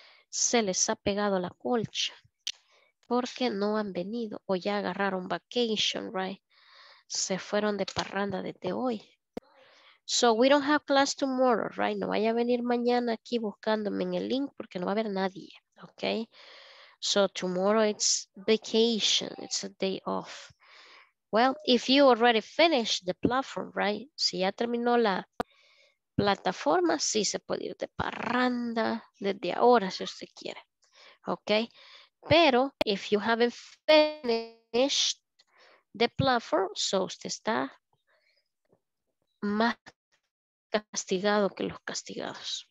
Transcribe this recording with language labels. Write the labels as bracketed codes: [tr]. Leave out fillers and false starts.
[es] Se les ha pegado la colcha. Porque no han venido o ya agarraron [en] vacation, right? [es] Se fueron de parranda desde hoy. [en] So we don't have class tomorrow, right? [es] No vaya a venir mañana aquí buscándome en el link porque no va a haber nadie, okay? [en] So tomorrow it's vacation, it's a day off. Well, if you already finished the platform, right? [es] Si ya terminó la plataforma, sí se puede ir de parranda desde ahora si usted quiere, okay? Pero, [en] if you haven't finished the platform, [es] so usted está más castigado que los castigados.